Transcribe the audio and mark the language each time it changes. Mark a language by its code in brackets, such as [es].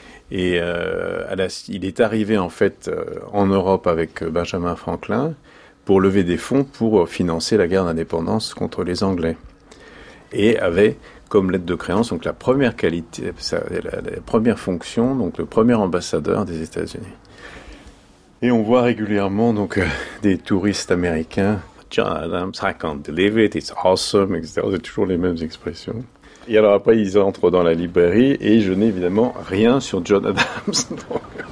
[fr] Et il est arrivé en fait en Europe avec Benjamin Franklin pour lever des fonds pour financer la guerre d'indépendance contre les Anglais. Et avait comme lettre de créance donc la première qualité, la première fonction, donc le premier ambassadeur des États-Unis. Et on voit régulièrement donc des touristes américains. [en] John Adams, I can't believe it, it's awesome, etc. [fr] C'est toujours les mêmes expressions. Et alors après, ils entrent dans la librairie et je n'ai évidemment rien sur John Adams. Donc...